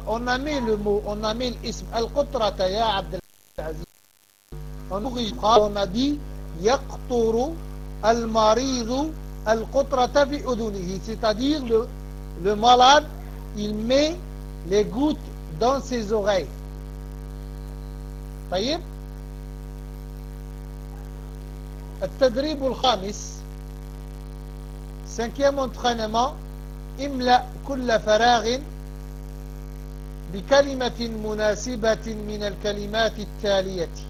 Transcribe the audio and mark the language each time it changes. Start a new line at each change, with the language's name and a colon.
French: On a mis
Arabic: الاسم القطرة يا
French: عبد العزيز. On a dit
Arabic: يقطر المريض القطرة في أذنه.
French: C'est-à-dire le malade il met les gouttes dans ses oreilles.
Arabic: طيب التدريب الخامس.
French: Cinquième entraînement.
Arabic: املأ كل فراغ بكلمة مناسبة من الكلمات التالية.